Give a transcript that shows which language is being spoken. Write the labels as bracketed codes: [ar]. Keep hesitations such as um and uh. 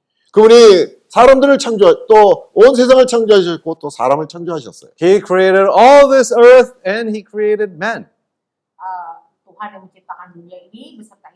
[ko] 그분이 사람들을 창조 또온 세상을 창조하셨고 또 사람을 창조하셨어요. [en] He created all this earth and he created man. [ko] 아, 하나님 지으셨던 인류의 이미